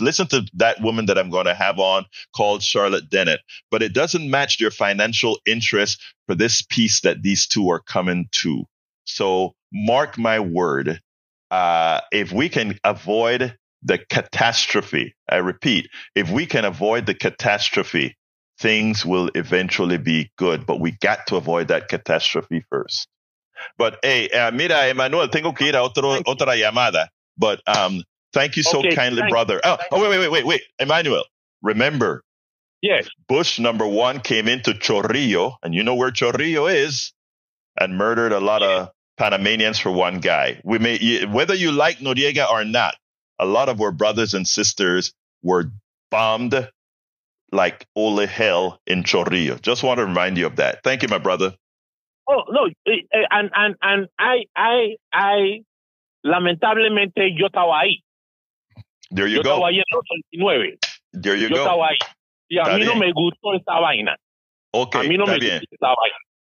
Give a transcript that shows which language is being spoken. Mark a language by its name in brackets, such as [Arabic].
[English] Listen to that woman that I'm going to have on called Charlotte Dennett, but it doesn't match their financial interests for this piece that these two are coming to. So mark my word, if we can avoid the catastrophe, I repeat, if we can avoid the catastrophe, things will eventually be good. But we got to avoid that catastrophe first. But hey, [Spanish] mira, Emmanuel, tengo que ir a otra llamada. [English] But thank you so kindly, brother. Wait. Emmanuel, remember. Yes. Bush number one came into Chorrillo, and you know where Chorrillo is, and murdered a lot of Panamanians for one guy. Whether you like Noriega or not, a lot of our brothers and sisters were bombed like holy hell in Chorrillo. Just want to remind you of that. Thank you, my brother. Oh no, and I [Spanish] lamentablemente yo estaba ahí. [English] There you [Spanish] yo [English] go. [Spanish] Estaba ahí en 89. [English] There you [Spanish] yo [English] go. [Spanish] Yo estaba ahí. Y a mí no me gustó esa vaina. [English] Okay. [Spanish] A mí no me gustó esa vaina.